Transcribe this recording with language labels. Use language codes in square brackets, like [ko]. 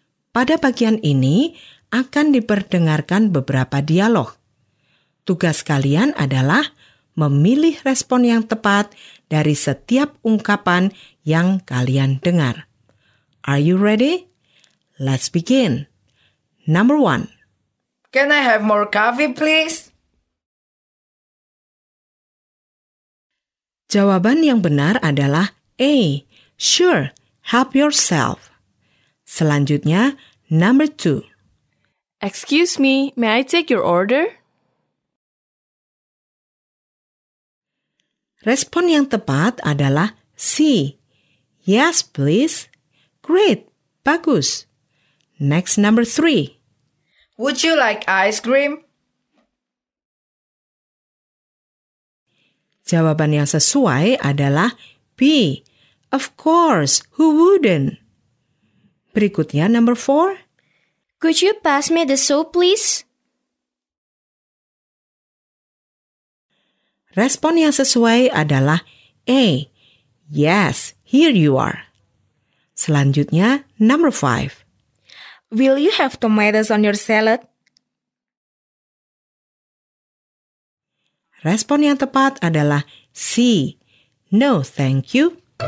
[id] Pada bagian ini, akan diperdengarkan beberapa dialog. Tugas kalian adalah memilih respon yang tepat dari setiap ungkapan yang kalian dengar. [en] Are you ready? Let's begin. Number 1. Can I have more coffee, please? [id] Jawaban yang benar adalah A. [en] Sure, help yourself. [id] Selanjutnya, [en] number 2. Excuse me, may I take your order? [id] Respon yang tepat adalah C. [en] Yes, please. Great, [id] bagus. [en] Next, number 3. Would you like ice cream? [id] Jawaban yang sesuai adalah B. [en] Of course, who wouldn't? [id] Berikutnya, [en] number 4. Could you pass me the soap, please? [id] Respon yang sesuai adalah A. [en] Yes, here you are. [id] Selanjutnya, [en] number 5. Will you have tomatoes on your salad? [id] Respon yang tepat adalah C. [en] No, thank you.